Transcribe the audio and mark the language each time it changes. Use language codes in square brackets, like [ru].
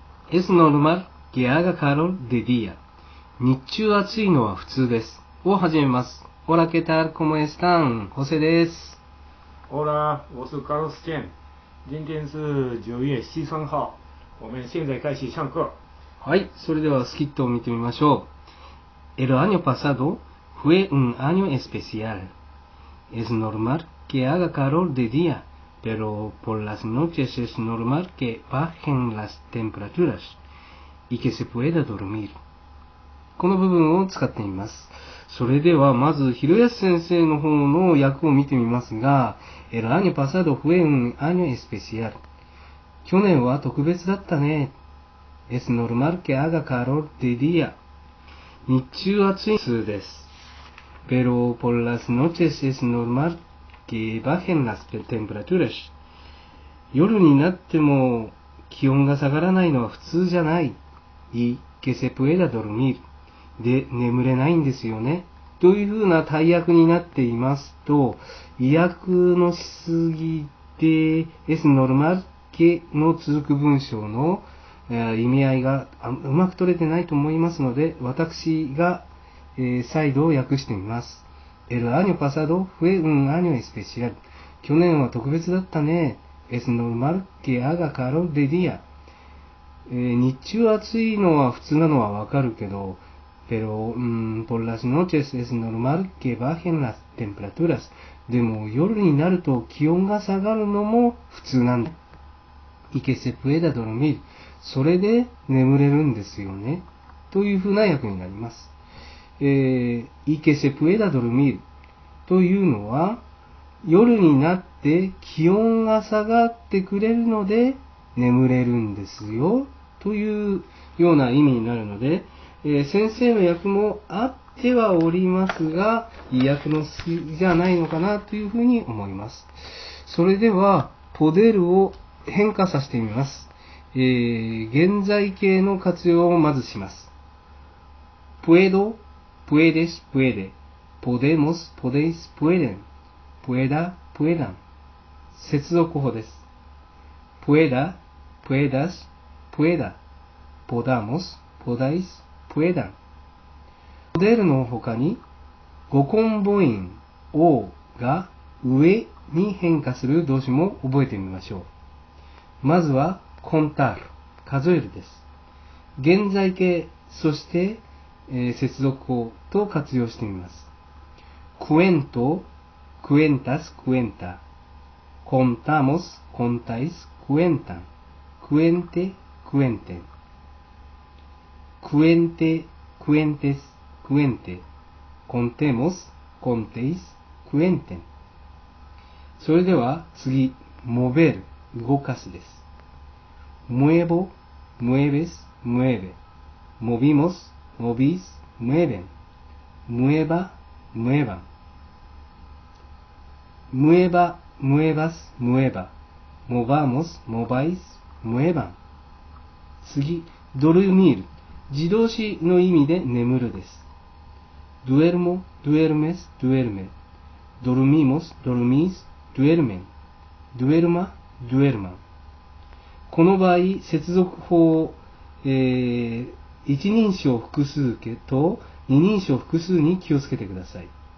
[es] Es normal que haga calor de día. [ja] 日中暑いのは普通です。を始めます。 [es] Hola, ¿qué tal? ¿Cómo están? José です。 Hola, soy Carlos Chen. [zh] 今天是9月13号。我们现在开始上课。 [ja] はい、それではスキットを見てみましょう。 [es] El año pasado fue un año especial. Es normal que haga calor de día. Pero por las noches es normal que bajen las temperaturas y que se pueda dormir. [ja] この部分を使ってみます。それではまず、ひろやす先生の方の訳を見てみますが、 [es] El año pasado fue un año especial. [ja] 去年は特別だったね。 [es] Es normal que haga calor de día. [ja] 日中は暑いです。 [es] Pero por las noches es normal que bajen las temperaturas. [ja] 夜になっても気温が下がらないのは普通じゃない。 [es] Y que se pueda dormir. [ja] で、眠れないんですよね。というふうな大訳になっていますと、意訳のしすぎで、es normal que の続く文章の意味合いがうまく取れてないと思いますので、私が再度訳してみます。 [es] El año pasado fue un año especial. [ja] 去年は特別だったね。 [es] Es normal que haga calor de día. [ja] 日中暑いのは普通なのはわかるけど、 [es] pero por las noches es normal que bajen las temperaturas. [ja] でも夜になると気温が下がるのも普通なんだ。 [es] Y que se pueda dormir. [ja] それで眠れるんですよね。というふうな訳になります。いけせぷえだどるみるというのは、夜になって気温が下がってくれるので眠れるんですよというような意味になるので、先生の訳もあってはおりますが、意訳の好きじゃないのかなというふうに思います。それではポデルを変化させてみます。現在形の活用をまずします。 [es] ぷえどPuedes, puede. Podemos, podéis, pueden. Pueda, puedan. [ja] 接続法です。 [es] Pueda, puedas, pueda. Podamos, podáis, puedan. [ja] Poder の他に、語根母音、をが上に変化する動詞も覚えてみましょう。まずは、contar、数えるです。現在形、そして、接続語と活用してみます。 [es] cuento, cuentas, cuenta. contamos, contáis, cuentan. cuente, cuenten. cuente, cuentes, cuente. contemos, contéis, cuenten. [ja] それでは次、mover, 動かすです。 [es] muevo, mueves, mueve. movimos, movís,mueven, mueva, muevan, mueva, muevas, mueva, movamos, mováis, muevan. [ja] 次、dormir、自動詞の意味で眠るです。 [es] duermo, duermes, duerme, dormimos, dormís, duermen, duerma, duerman. [ja] この場合、接続法、一人称複数形と二人称複数に気をつけてください。